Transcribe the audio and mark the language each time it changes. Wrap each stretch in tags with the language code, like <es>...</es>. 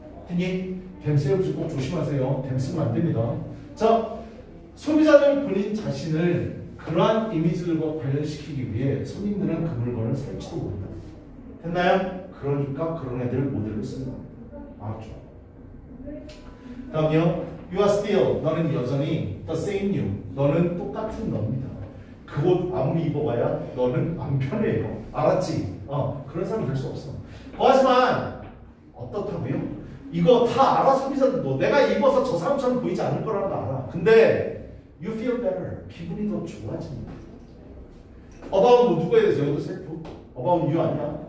<ko>흔히 댐 셀프 꼭 조심하세요. 댐 쓰면 안 됩니다. 자, 소비자들 본인 자신을 그러한 이미지들과 관련시키기 위해 손님들은 그 물건을 살지도 모른다. 됐나요? 그러니까 그런 애들을 모델로 쓴다. 알았죠? 다음이요.</ko> <en>You are still,</en> <ko>너는 여전히</ko> <en>the same you.</en> <ko>너는 똑같은 너입니다. 그 옷 아무리 입어봐야 너는 안 편해요. 알았지? 그런 사람은 될 수 없어. 하지만 어떻다고요? 이거 다 알아, 소비자들. 너 내가 입어서 저 사람처럼 보이지 않을 거라는 거 알아. 근데</ko> <en>you feel better.</en> <ko>기분이 더 좋아집니다. About 뭐 누구에 대해서? 이것도 셀프.</ko> <en>About you</en> <ko>아니야?</ko>